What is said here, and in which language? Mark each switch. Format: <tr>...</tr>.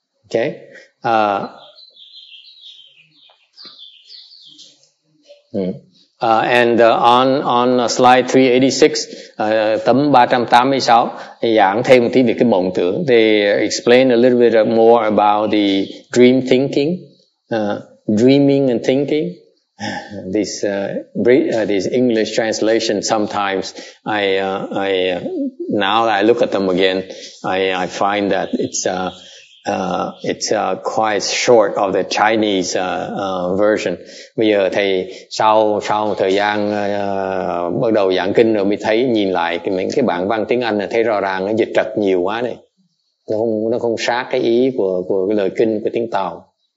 <en>Okay. On slide 386,</en> <vi>tấm 386, giảng thêm một tí về cái mộng tưởng.</vi> <en>They explain a little bit more about the dream thinking. Dreaming and thinking. This English translation. Sometimes I look at them again. I find that it's quite short of the Chinese version.</en> <vi>Bây giờ thầy sau một thời gian bắt đầu giảng kinh rồi mới thấy nhìn lại những cái bản văn tiếng Anh là thấy rõ ràng nó dịch trật nhiều quá này. Nó không sát cái ý của cái lời kinh của tiếng Tàu.</vi>